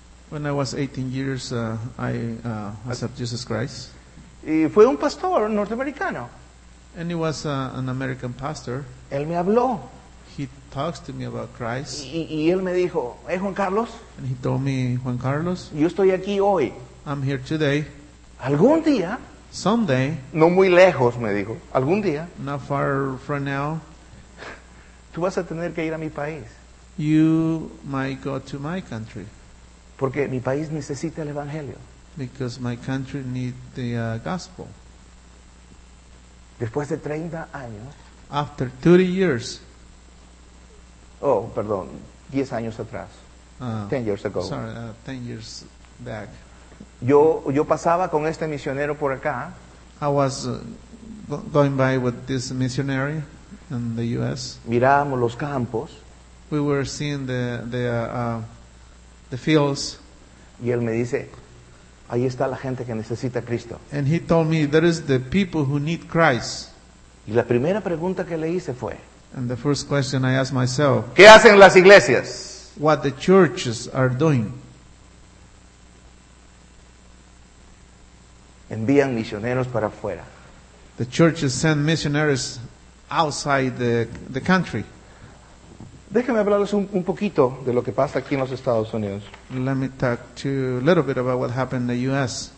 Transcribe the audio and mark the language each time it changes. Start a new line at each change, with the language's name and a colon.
English: When I was 18 years, I accepted Jesus Christ.
Spanish: Y fue un pastor norteamericano.
English: And he was an American pastor.
Spanish: Él me habló.
English: He talks to me about Christ.
Spanish: Y él me dijo, ¿eh, Juan Carlos?
English: And he told me, Juan Carlos.
Spanish: Yo estoy aquí hoy.
English: I'm here today.
Spanish: Algún día.
English: Someday.
Spanish: No muy lejos, me dijo. Algún día.
English: Not far from now.
Spanish: Tú vas a tener que ir a mi país.
English: You might go to my country.
Spanish: Porque mi país necesita el evangelio.
English: Because my country need the gospel.
Spanish: Después de 30 años.
English: After 30 years.
Spanish: Oh, perdón. 10 años atrás.
English: 10 years ago. Sorry, 10 years back.
Spanish: Yo pasaba con este misionero por acá.
English: I was going by with this missionary in the U.S.
Spanish: Mirábamos los campos.
English: We were seeing the fields.
Spanish: Y él me dice, ahí está la gente que necesita Cristo.
English: And he told me, there is the people who need Christ.
Spanish: Y la primera pregunta que le hice fue,
English: and the first question I asked myself,
Spanish: ¿qué hacen las iglesias?
English: What the churches are doing.
Spanish: Envían misioneros para afuera.
English: The churches send missionaries outside the country.
Spanish: Déjeme hablarles un poquito de lo que pasa aquí en los Estados Unidos.
English: Let me talk to you a little bit about what happened in the U.S.